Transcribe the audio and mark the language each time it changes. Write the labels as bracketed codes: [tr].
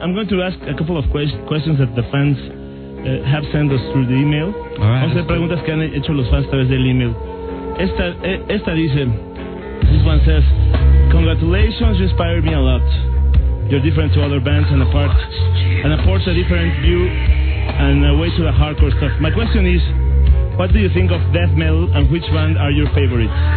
[en] I'm going to ask a couple of questions that the fans have sent us through the email. Right, [es] vamos a hacer preguntas que han hecho los fans a través del email. Esta dice, [en] this one says, congratulations, you inspired me a lot. You're different to other bands and apports a different view and a way to the hardcore stuff. My question is, what do you think of death metal and which band are your favorites?